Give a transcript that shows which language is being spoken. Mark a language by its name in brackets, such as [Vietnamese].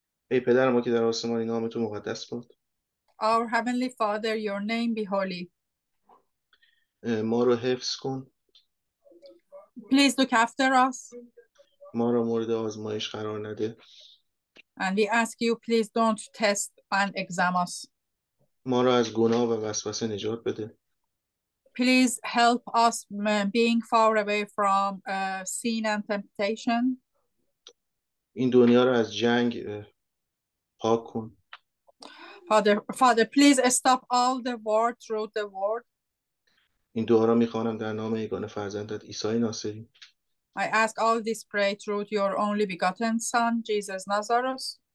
[Persian] ای پدر ما که در آسمان، نام تو مقدس باد. [English] Our heavenly Father, your name be holy. [Persian] ما رو حفظ کن. [English] Please look after us. [Persian] ما رو مورد آزمایش قرار نده. [English] And we ask you, please don't test and examine us. [Persian] ما رو از گناه و وسوسه نجات بده. [English] Please help us being far away from sin and temptation. [Persian] این دنیا رو از جنگ پاک کن. [English] Father, please stop all the war through the world. [Persian] این دعا رو میخوانم در نام یگانه فرزندت عیسی ناصری. [English] I ask all this pray through your only begotten son, Jesus Nazareth.